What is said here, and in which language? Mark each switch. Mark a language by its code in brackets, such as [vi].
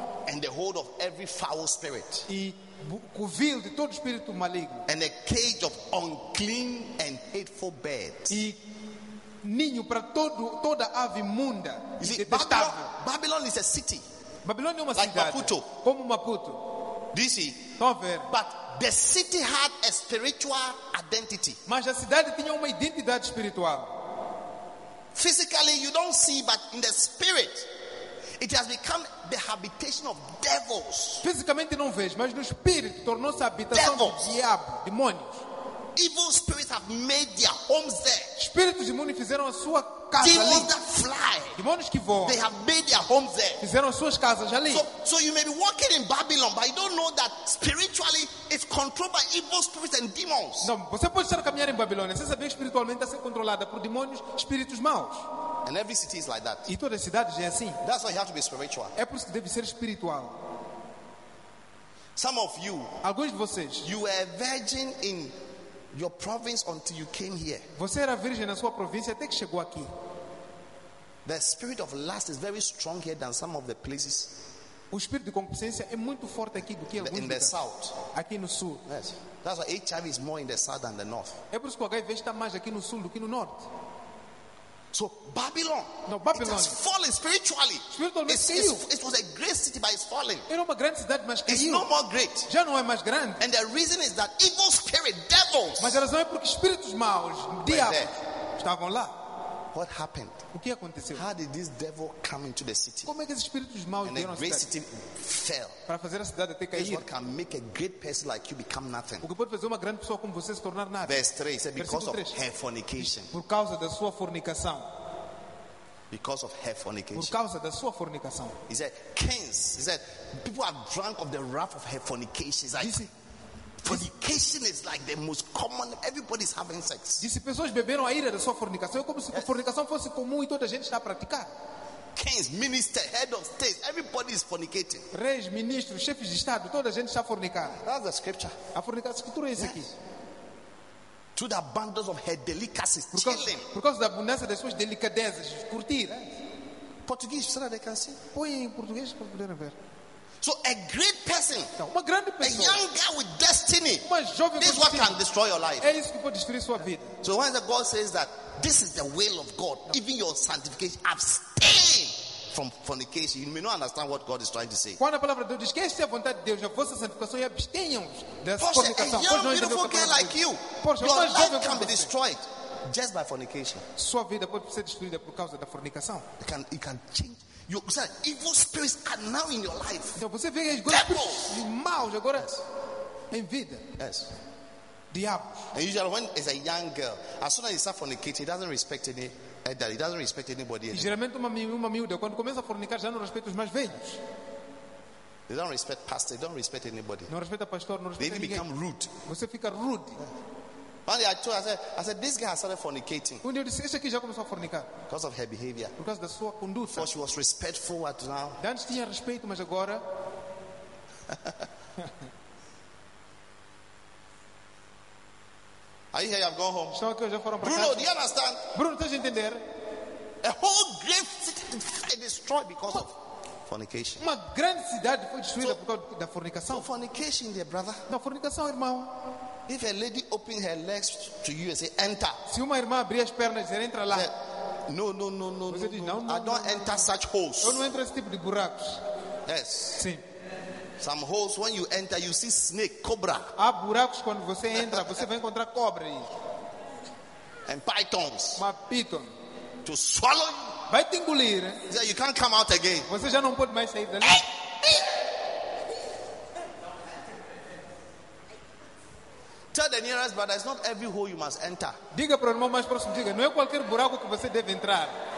[en] And the hold of every foul spirit. [pt] E covil de todo espírito maligno. [en] And a cage of unclean and hateful birds. [pt] E ninho para toda a ave imunda. [en] Babylon is a city. [pt] Babylon é uma [en] like [pt] cidade. Maputo. Como Maputo. [en] This is. [pt] Estão a ver. [en] But the city had a spiritual identity. [pt] Mas a cidade tinha uma identidade espiritual. [en] Physically you don't see, but in the spirit it has become the habitation of devils. [pt] Fisicamente não vês, mas no espírito tornou-se a habitação do diabo, demônios. [en] Evil spirits have made their homes there. [pt] Espíritos demônios fizeram a sua casa ali. [en] Demons that fly. [pt] Demônios que voam. [en] They have made their homes there. [pt] Fizeram suas casas ali. [en] So you may be walking in Babylon, but you don't know that spiritually it's controlled by evil spirits and demons. [pt] Não, você pode estar a caminhar em Babilônia sem saber que espiritualmente está sendo controlada por demônios, espíritos maus. [en] And every city is like that. [pt] E toda a cidade é assim. [en] That's why you have to be spiritual. [pt] É por isso que deve ser espiritual. [en] Some of you, [pt] alguns de vocês, [en] you were virgin in your province until you came here. [pt] Você era virgem na sua província até que chegou aqui. [en] The spirit of lust is very strong here than some of the places. [pt] O espírito de concupiscência é muito forte aqui do que [en] in the south. [pt] Aqui no sul. [en] Yes. That's why HIV is more in the south than the north. [pt] É por isso que HIV está mais aqui no sul do que no norte. [en] So Babylon, [pt] no, Babylon, [en] it has fallen spiritually. It was a great city, but it's fallen. [pt] Era uma grande cidade, mas caiu. [en] It's no more great. [pt] Já não é mais grande. [en] And the reason is that evil spirit, devils. [pt] Mas a razão é porque espíritos maus, diabos, estavam lá. [en] What happened? [pt] O que aconteceu? [en] How did this devil come into the city? [pt] Como é que esses espíritos maus vieram à cidade? [en] And the great city fell. [pt] Para fazer a cidade até cair. [en] It's what can make a great person like you become nothing. [pt] O que pode fazer uma grande pessoa como você se tornar nada? [en] Verse 3, it said, because of her fornication. [pt] Por causa da sua fornicação. [en] Because of her fornication. [pt] Por causa da sua fornicação. [en] He said, kings. He said, people are drunk of the wrath of her fornication. Fornication is like the most common. Everybody's having sex. [pt] Disse, pessoas beberam a ira da sua fornicação. É como se a fornicação fosse comum e toda a gente está a praticar. [en] Kings, ministers, head of state, everybody is fornicating. [pt] Reis, ministros, chefes de estado, toda a gente está a fornicar. [en] That's the scripture. [pt] A fornicação, a escritura é isso aqui. [en] To the abundance of her delicacies, chilling. [pt] Por causa da abundância das suas delicadezas, curtir. Português, será que eles conseguem? Põe em português para poderem ver. [en] So a great person, [pt] então, uma grande pessoa, [en] a young girl with destiny, [pt] uma jovem [en] this is what can destroy your life. [pt] É isso que pode destruir sua vida. [en] So when the God says that this is the will of God, então, even your sanctification, abstain from fornication, you may not understand what God is trying to say. [pt] Quando a palavra de Deus diz que esta é a vontade de Deus, a vossa santificação, e abstenham da fornicação. [en] A young, beautiful girl like you, your life can be destroyed just by fornication. [pt] Sua vida pode ser destruída por causa da fornicação. [en] It can change. You said evil spirits are now in your life. [pt] Então você vê agora espíritos maus agora em vida. [en] Yes. [pt] Diabo. [en] And usually when it's a young girl, as soon as you start fornicating, it doesn't respect any elder, it doesn't respect anybody. [pt] E geralmente uma miúda quando começa a fornicar já não respeita os mais velhos. [en] They don't respect pastor, they don't respect anybody. [pt] Não respeita pastor, não respeita ninguém. [en] They become rude. [pt] Você fica rude. [en] One day I said, this guy has started fornicating. [pt] Um dia eu disse, esse aqui já começou a fornicar. [en] Because of her behavior. [pt] Por causa da sua conduta. [en] Before she was respectful, but now. [pt] Antes tinha respeito, mas agora. [en] Are you here? I've gone home. [pt] Estão aqui, já foram [en] Bruno, do you understand? [pt] Bruno, estás a entender? [en] A whole great city destroyed because of fornication. [pt] Uma grande cidade foi destruída por causa da fornicação. [en] So fornication, dear brother. [pt] Da fornicação, irmão. [en] If a lady opens her legs to you and say, enter. [pt] Se uma irmã abrir as pernas, dizer, entra lá. [en] No. [pt] Você diz, não, [en] I don't [pt] não, [en] enter [pt] não. [en] Such holes. [pt] Eu não entro esse tipo de buracos. [en] Yes. [pt] Sim. [en] Some holes, when you enter, you see snake, cobra. [pt] Há buracos quando você entra, você vai encontrar cobra. [en] And pythons. [pt] Uma python. [en] To swallow you. [pt] Vai te engolir. [en] So you can't come out again. [pt] Você já não pode mais sair dali. [en] Tell the nearest brother, it's not every hole you must enter. [pt] Diga para o irmão mais próximo, diga, não é qualquer buraco que você deve entrar.